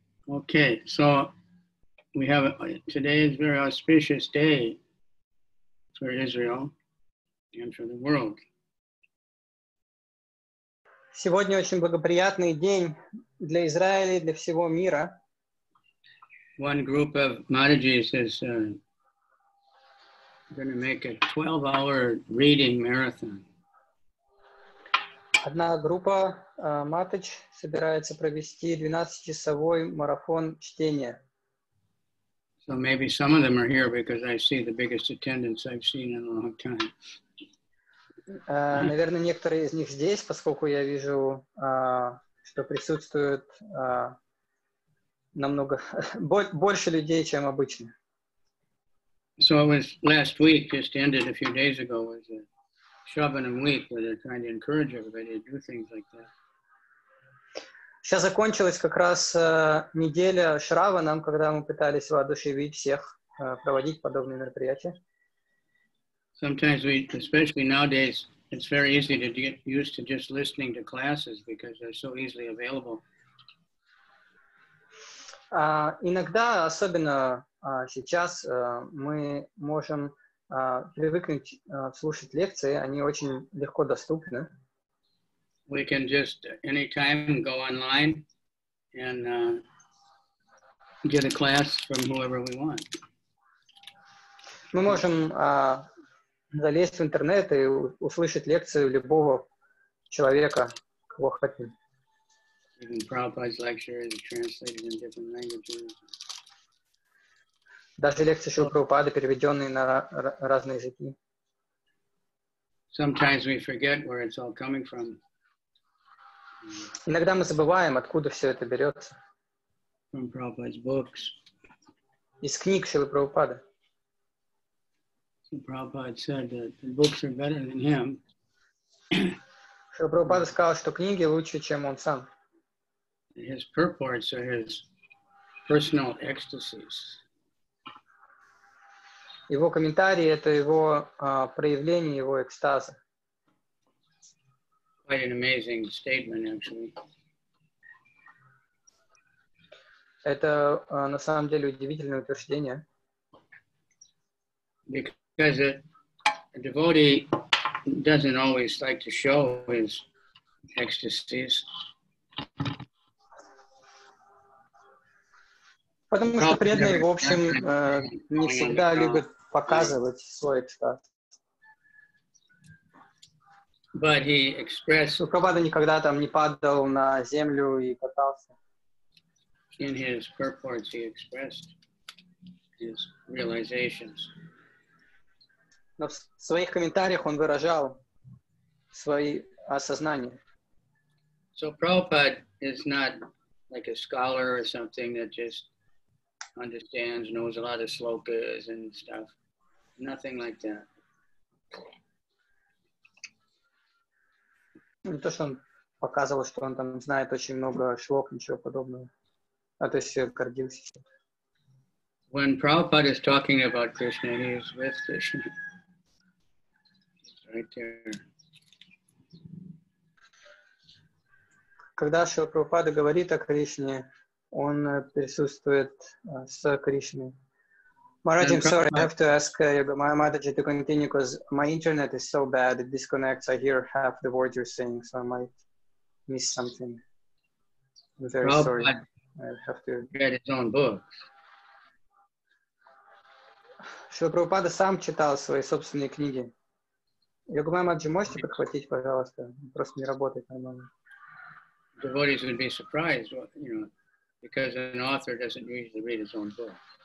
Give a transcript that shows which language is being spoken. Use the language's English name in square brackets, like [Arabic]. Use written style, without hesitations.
[English] Okay, so we have today is a very auspicious day for Israel and for the world. [Russian] Сегодня очень благоприятный день для Израиля и для всего мира. [English] One group of Madhijis is going to make a 12-hour reading marathon. [Russian] Одна группа Матыч собирается провести 12-часовой марафон чтения. [English] So maybe some of them are here because I see the biggest attendance I've seen in a long time. [Russian] Наверное, некоторые из них здесь, поскольку я вижу, что присутствует намного больше людей, чем обычно. [English] So it was last week, just ended a few days ago, was it? Shravanam week, where they're trying to encourage everybody to do things like that. [Russian] Сейчас закончилась как раз неделя Шраванам, когда мы пытались воодушевить всех проводить подобные мероприятия. [English] Sometimes we, especially nowadays, it's very easy to get used to just listening to classes because they're so easily available. [Russian] Иногда, особенно сейчас, мы можем привыкнуть слушать лекции, они очень легко доступны. [English] We can just anytime go online and get a class from whoever we want. [Russian] Мы можем залезть в интернет и услышать лекцию любого человека, кого хотим. [English] Even Prabhupada's lecture is translated in different languages. [Russian] даже лекции Шрилы Прабхупады, переведенные на разные языки. [English] Sometimes we forget where it's all coming from. [Russian] Иногда мы забываем, откуда все это берется. [English] From Prabhupada's books. [Russian] Из книг Шрилы Прабхупады. [English] Prabhupada said that the books are better than him. [Russian] Шрила Прабхупада сказал, что книги лучше, чем он сам. [English] His purports are his personal ecstasies. [Russian] Его комментарии — это его проявление, его экстаза. [English] Quite an amazing statement, actually. [Russian] Это на самом деле удивительное утверждение. [English] Because a devotee doesn't always like to show his ecstasies. [Russian] Потому что преданные, в общем, не всегда любят показывать свой экстаз. [English] But he expressed. [Russian] Прабхупада никогда там не падал на землю и катался. [English] In his purports, he expressed his realizations. [Russian] Но в своих комментариях он выражал свои осознания. [English] So Prabhupada is not like a scholar or something that just understands, knows a lot of slokas and stuff. Nothing like that. [Russian] Не то, что он показывал, что он там знает очень много шлок, ничего подобного. А то есть гордился. [English] When Prabhupada is talking about Krishna, he is with Krishna. Right there. [Russian] Когда Шрила Прабхупада говорит о Кришне, он присутствует с Кришной. [English] Maharaj, I'm sorry, I have to ask Yogamaya Mataji to continue because my internet is so bad, it disconnects. I hear half the words you're saying, so I might miss something. I'm very sorry. I have to read his own books. [Russian] Шрила Прабхупада сам читал свои собственные книги. Йогамая Маджи, можете подхватить, пожалуйста? Просто не работает нормально. [English] Devotees would be surprised, you know, because an author doesn't usually read his own book.